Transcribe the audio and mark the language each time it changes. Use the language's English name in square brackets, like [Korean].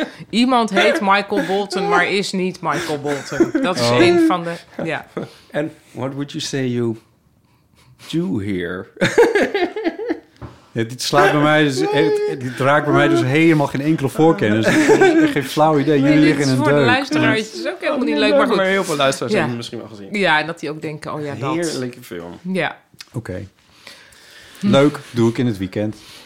[Dutch] Iemand heet Michael Bolton, maar is niet Michael Bolton. Dat is een van de... Ja. [English] And what would you say you do here? [Dutch] Ja, dit slaat bij mij dus, het raakt bij mij dus helemaal geen enkele voorkennis. Geen flauw idee. Jullie liggen in een deuk. Voor de luisteraars is ook helemaal niet leuk. Maar goed. Maar heel veel luisteraars hebben misschien wel gezien. Ja, en dat die ook denken, oh ja, dat. Heerlijke film. Ja. Oké. Okay. Leuk, doe ik in het weekend.